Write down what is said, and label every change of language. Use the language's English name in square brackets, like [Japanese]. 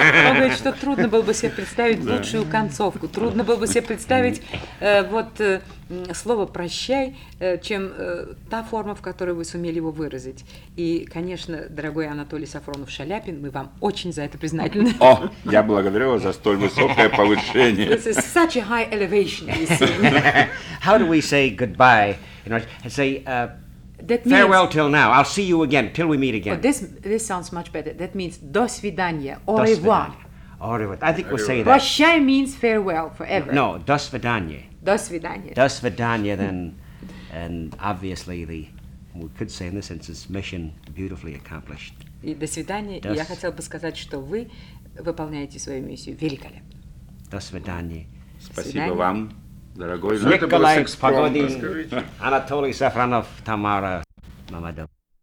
[Russian] Он говорит, что трудно было бы себе представить лучшую концовку. Трудно было бы себе представить вот слово «прощай», чем та форма, в которой вы сумели его выразить. И, конечно, дорогой Анатолий Сафронов-Шаляпин, мы вам очень за это признательны. О, я благодарю вас за столь высокое повышение. [English] This is such a high elevation, you see. How do we say goodbye? Say, that farewell means, till now. I'll see you again, till we meet again. Oh, this sounds much better. That means [Russian] до свидания, [French] au revoir. Au revoir. [English] I think we'll say that. Прощай means farewell forever. No, [Russian] до свидания. До свидания. До свидания, [English] then. And obviously, we could say in this instance, mission beautifully accomplished. [Russian] И до свидания. И я хотел бы сказать, что вы выполняете свою миссию великолепно. До свидания. Спасибо вам. Дорогой Николай Погодин, Анатолий Сафронов, Тамара Мамадова.